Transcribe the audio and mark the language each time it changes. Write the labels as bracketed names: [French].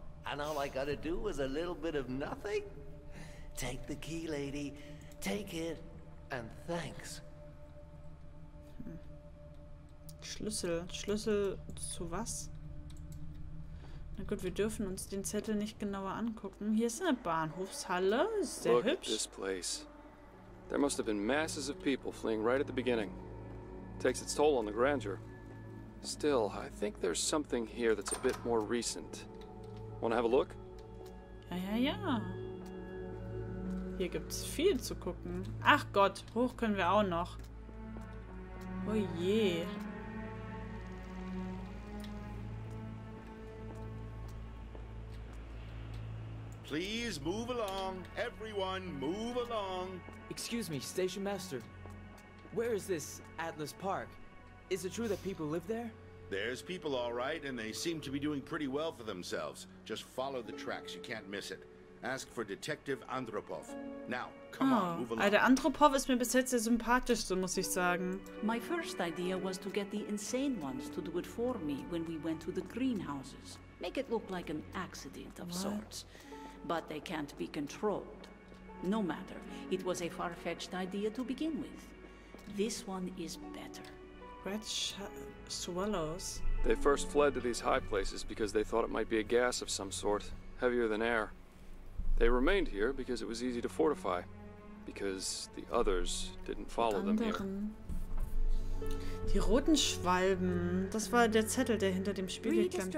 [English] And all I gotta do was a little bit of nothing? Take the key, lady. Take it and thanks. [German] Schlüssel. Schlüssel zu was? Na gut, wir dürfen uns den Zettel nicht genauer angucken. Hier ist eine Bahnhofshalle. Sehr [English] Look [German] hübsch. [English] At this place. There must have been masses of people fleeing right at the beginning. Takes its toll on the grandeur. Still, I think there's something here that's a bit more recent. Wanna have a look? [German] Ja, ja, ja. Hier gibt es viel zu gucken. Ach Gott, hoch können wir auch noch. Oh je. [English] Please move along. Everyone, move along. Excuse me, Station Master. Where is this Atlas Park? Is it true that people live there? There's people all right, and they seem to be doing pretty well for themselves. Just follow the tracks, you can't miss it. Ask for Detective Andropov. Now, come on, move along. [German] Alter, Andropov ist mir bis jetzt der sympathischste, muss ich sagen. [English] My first idea was to get the insane ones to do it for me when we went to the greenhouses. Make it look like an accident of sorts. But they can't be controlled. No matter, it was a far-fetched idea to begin with. This one is better. Red swallows. They first fled to these high places because they thought it might be a gas of some sort, heavier than air. They remained here because it was easy to fortify, because the others didn't follow them here. [German] Die roten Schwalben. Das war der Zettel, der hinter dem Spiegel klemmte.